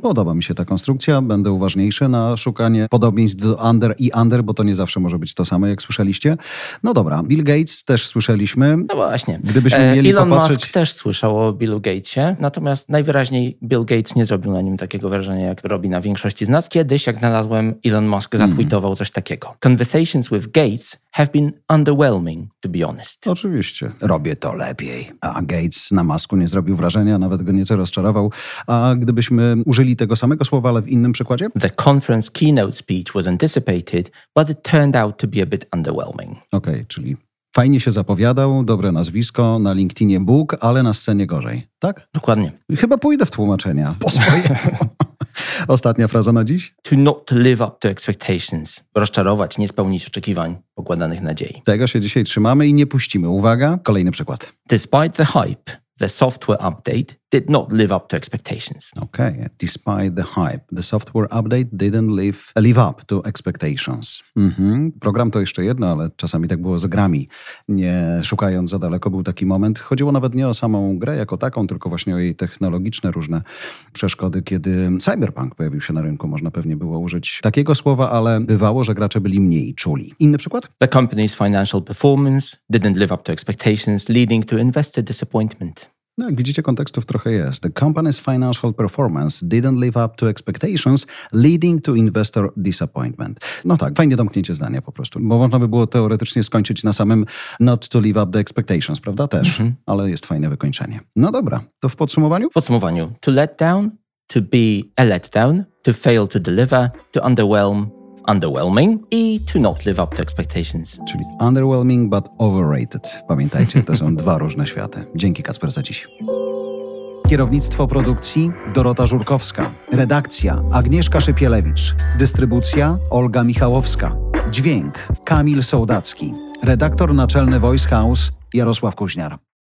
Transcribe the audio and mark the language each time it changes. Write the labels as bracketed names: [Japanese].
[Polish] podoba mi się ta konstrukcja. Będę uważniejszy na szukanie podobieństw do under i under, bo to nie zawsze może być to samo, jak słyszeliście. No dobra, Bill Gates też słyszeliśmy. No właśnie. Gdybyśmy mieli Elon popatrzeć... Musk też słyszał o Billu Gatesie, natomiast najwyraźniej Bill Gates nie zrobił na nim takiego wrażenia, jak robi na większości z nas. Kiedyś, jak znalazłem, Elon Musk zatweetował coś takiego. [English] Conversations with Gates have been underwhelming, to be honest. [Polish] Oczywiście. Robię to lepiej. A Gates na Musku nie zrobił wrażenia, nawet go nieco rozczarował. A gdybyśmy użyli tego samego słowa, ale w innym przykładzie? [English] The conference keynote speech was anticipated, but it turned out to be a bit underwhelming. [Polish] Okej, okay, czyli fajnie się zapowiadał, dobre nazwisko, na LinkedInie Bóg, ale na scenie gorzej, tak? Dokładnie. Chyba pójdę w tłumaczenia. Po swoje. Ostatnia fraza na dziś? [English] To not live up to expectations. [Polish] Rozczarować, nie spełnić oczekiwań, pokładanych nadziei. Tego się dzisiaj trzymamy i nie puścimy. Uwaga, kolejny przykład. [English] Despite the hype, the software update did not live up to expectations. Okay, despite the hype, the software update didn't live up to expectations. Mm-hmm. [Polish] Program to jeszcze jedno, ale czasami tak było z grami. Nie szukając za daleko, był taki moment. Chodziło nawet nie o samą grę jako taką, tylko właśnie o jej technologiczne różne przeszkody. Kiedy Cyberpunk pojawił się na rynku, można pewnie było użyć takiego słowa, ale bywało, że gracze byli mniej czuli. Inny przykład? [English] The company's financial performance didn't live up to expectations, leading to investor disappointment. [Polish] No, jak widzicie, kontekstów trochę jest. [English] The company's financial performance didn't live up to expectations, leading to investor disappointment. [Polish] No tak, fajnie domknięcie zdania po prostu, bo można by było teoretycznie skończyć na samym [English] not to live up the expectations, [Polish] prawda? Też, mm-hmm. ale jest fajne wykończenie. No dobra, to w podsumowaniu? W podsumowaniu. [English] To let down, to be a letdown, to fail to deliver, to underwhelm, underwhelming i to not live up to expectations. Czyli underwhelming, but overrated. [Polish] Pamiętajcie, to są dwa różne światy. Dzięki, Kacper, za dziś. Kierownictwo produkcji Dorota Żurkowska. Redakcja Agnieszka Szypielewicz. Dystrybucja Olga Michałowska. Dźwięk Kamil Sołdacki. Redaktor naczelny Voice House Jarosław Kuźniar.